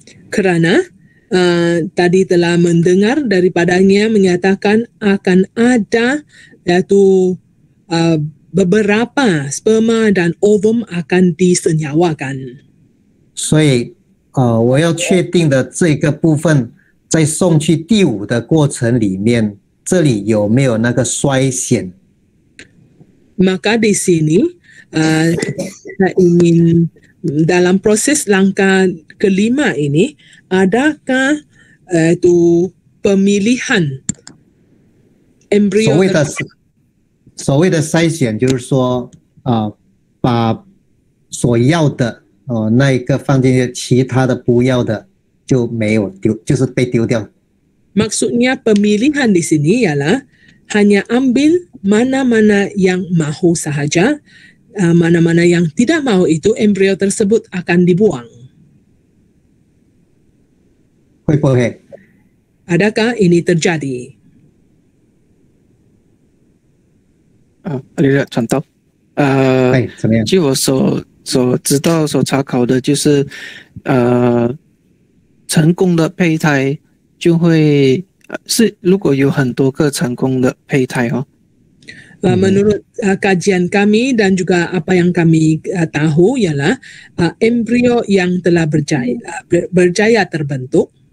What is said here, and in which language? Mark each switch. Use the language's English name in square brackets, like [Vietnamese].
[Malay] Kerana tadi telah mendengar daripadanya menyatakan akan ada yaitu beberapa sperma dan ovum akan disenyawakan. [Chinese] 所以我要确定的这个部分在送去第五的过程里面。这里有没有那个衰险? [Malay] Maka di sini saya ingin dalam proses langkah kelima ini adakah itu pemilihan embrio [Chinese] 所谓的筛选就是说 把所要的那一个放进去其他的不要的就没有丢就是被丢掉 [Malay] Maksudnya pemilihan di sini ialah hanya ambil mana-mana yang mahu sahaja, mana-mana yang tidak mahu itu embrio tersebut akan dibuang. Adakah ini terjadi? Alira, contoh. [Chinese] Jadi, 如果有很多个成功的胚胎哦? [Malay] Menurut kajian kami dan juga apa yang kami tahu ialah embrio yang telah berjaya berjaya terbentuk.